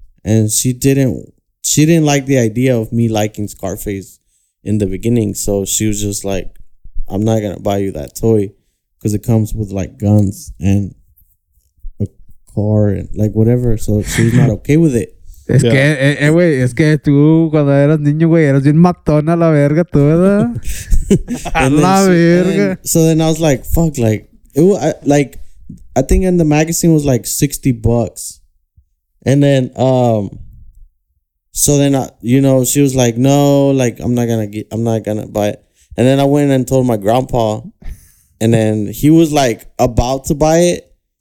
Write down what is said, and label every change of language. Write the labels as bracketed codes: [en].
[en] And she didn't like the idea of me liking Scarface in the beginning. So she was just like, I'm not going to buy you that toy because it comes with like guns and car and like whatever, so she's not okay with it. [es] Es que, güey, es que tú cuando eras niño, güey, eras bien matona la verga, tú, ¿verdad? La verga. [en] So then I was like, fuck, like, I think in the magazine was like $60. And then, she was like, no, like, I'm not gonna buy it. And then I went and told my grandpa, and then he was like about to buy it.